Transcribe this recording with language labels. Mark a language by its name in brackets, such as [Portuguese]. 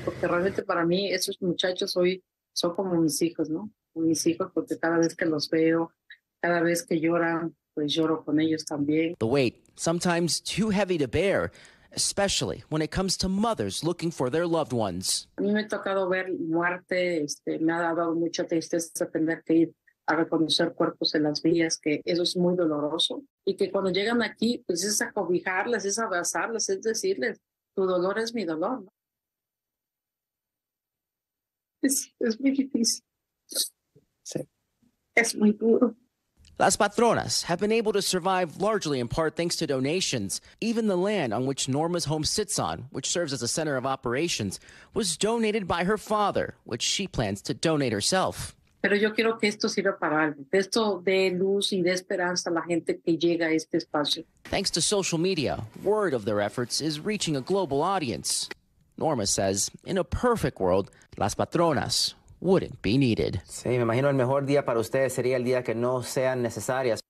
[English] The weight, sometimes too heavy to bear, especially when it comes to mothers looking for their loved ones. [Spanish] A mí me ha tocado ver muerte, me ha dado mucha tristeza tener que ir a reconocer cuerpos en las vías, que eso es muy doloroso. Y que cuando llegan aquí, pues es acobijarles, es abrazarles, es decirles, tu dolor es mi dolor. Es muy difícil. Sí. Es muy duro. [English] Las Patronas have been able to survive largely in part thanks to donations. Even the land on which Norma's home sits on, which serves as a center of operations, was donated by her father, which she plans to donate herself. [Spanish] Pero yo quiero que esto sirva para algo. Esto dé luz y dé esperanza a la gente que llega a este espacio. [English] Thanks to social media, word of their efforts is reaching a global audience. Norma says, in a perfect world, Las Patronas wouldn't be needed. [Spanish] Sí, me imagino el mejor día para ustedes sería el día que no sean necesarias.